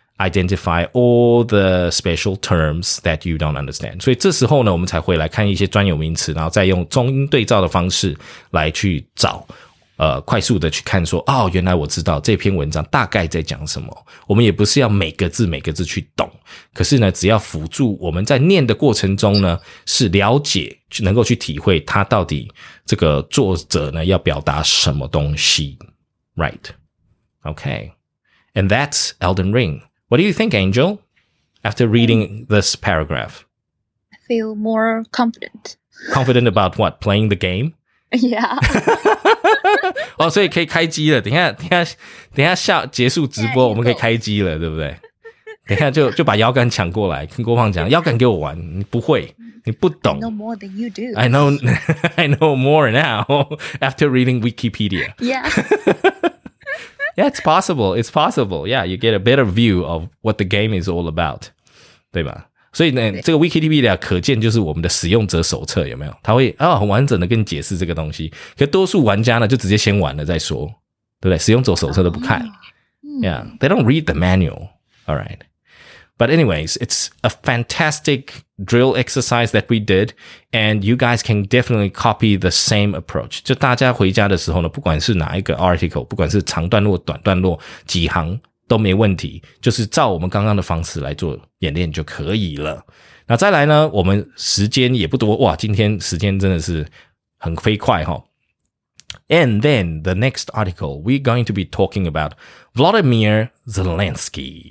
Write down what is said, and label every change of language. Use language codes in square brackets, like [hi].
[en] Identify all the special terms that you don't understand. [zh] 所以这时候呢，我们才会来看一些专有名词，然后再用中英对照的方式来去找，快速的去看说，哦，原来我知道这篇文章大概在讲什么。我们也不是要每个字每个字去懂，可是呢，只要辅助我们在念的过程中呢，是了解，能够去体会他到底这个作者呢要表达什么东西 ，right? [en] Okay, and that's Elden Ring. What do you think, Angel, after reading this paragraph? I feel more confident. Confident about what? Playing the game? Yeah. [zh] 哦，所以可以开机了。等一下，结束直播，我们可以开机了，对不对？等一下就把腰杆抢过来，跟郭胖讲腰杆给我玩，你不会，你不懂。 [en] I know more than you do. I know more now after reading Wikipedia. Yeah. Yeah, it's possible. It's possible. Yeah, you get a better view of what the game is all about. [zh] 对吧？所以呢，这个 Wikipedia 可见就是我们的使用者手册，有没有？他会很完整的跟你解释这个东西。可多数玩家呢，就直接先玩了再说，对不对？使用者手册都不看。 [en] Yeah, they don't read the manual. All right. But anyways, it's a fantastic drill exercise that we did. And you guys can definitely copy the same approach. [zh] 就大家回家的时候呢，不管是哪一个 article, 不管是长段落、短段落、几行都没问题，就是照我们刚刚的方式来做演练就可以了。那再来呢，我们时间也不多，哇，今天时间真的是很飞快齁。 [en] And then the next article, we're going to be talking about Vladimir Zelensky.